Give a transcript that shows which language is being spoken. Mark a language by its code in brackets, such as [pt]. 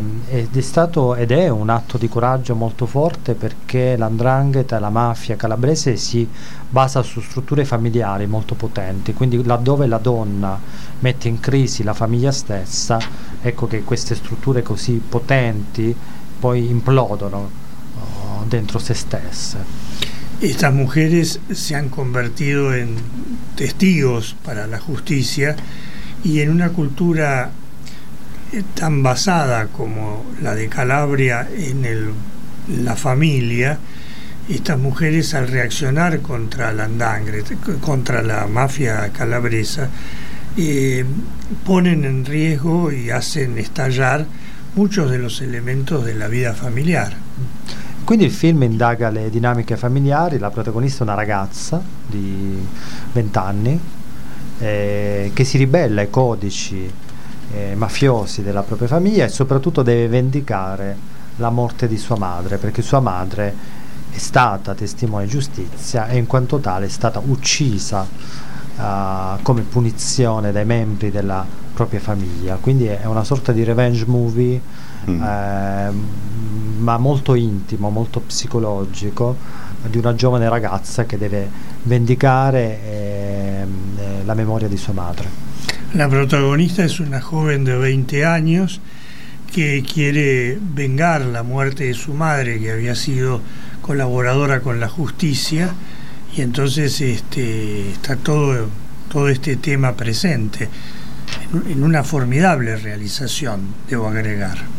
[it] Ed è un atto di coraggio molto forte, perché la 'ndrangheta, la mafia calabrese, si basa su strutture familiari molto potenti, quindi laddove la donna mette in crisi la famiglia stessa, ecco che queste strutture così potenti poi implodono dentro se stesse. [es] Estas mujeres se han convertido en testigos para la justicia, y en una cultura tan basada como la de Calabria en la familia, estas mujeres, al reaccionar contra la 'ndrangheta, contra la mafia calabresa, ponen en riesgo y hacen estallar muchos de los elementos de la vida familiar. [it] Quindi il film indaga le dinamiche familiari. La protagonista è una ragazza di 20 anni che si ribella ai codici mafiosi della propria famiglia, e soprattutto deve vendicare la morte di sua madre, perché sua madre è stata testimone di giustizia e in quanto tale è stata uccisa come punizione dai membri della propria famiglia. Quindi è una sorta di revenge movie, ma molto intimo, molto psicologico, di una giovane ragazza che deve vendicare la memoria di sua madre. [es] La protagonista es una joven de 20 años que quiere vengar la muerte de su madre, que había sido colaboradora con la justicia, y entonces está todo este tema presente en una formidable realización, debo agregar.